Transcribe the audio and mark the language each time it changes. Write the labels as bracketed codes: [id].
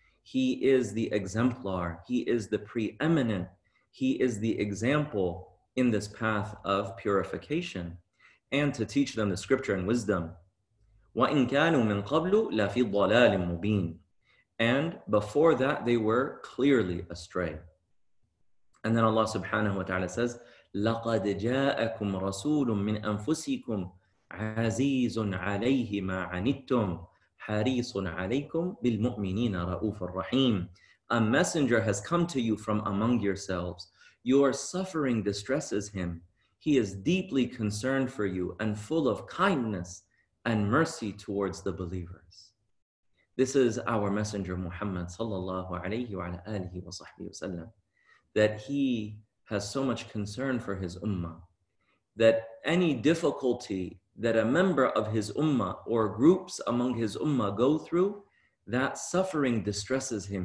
[en] He is the exemplar. He is the preeminent. He is the example in this path of purification and to teach them the scripture and wisdom. [ar] وَإِنْ كَانُوا مِنْ قَبْلُ لَفِي ضَلَالٍ مُبِينٍ. [en] And before that, they were clearly astray. And then Allah subhanahu wa ta'ala says, [ar] لَقَدْ جَاءَكُمْ رَسُولٌ مِّنْ أَنفُسِكُمْ عَزِيزٌ عَلَيْهِ مَا عَنِتُّمْ حَرِيصٌ عَلَيْكُمْ بِالْمُؤْمِنِينَ رَؤُوفُ الرَّحِيمُ. [en] A messenger has come to you from among yourselves. Your suffering distresses him. He is deeply concerned for you and full of kindness and mercy towards the believers. This is our messenger Muhammad sallallahu alayhi wa alihi wa sahbihi wa sallam, that he has so much concern for his ummah, that any difficulty that a member of his ummah or groups among his ummah go through, that suffering distresses him.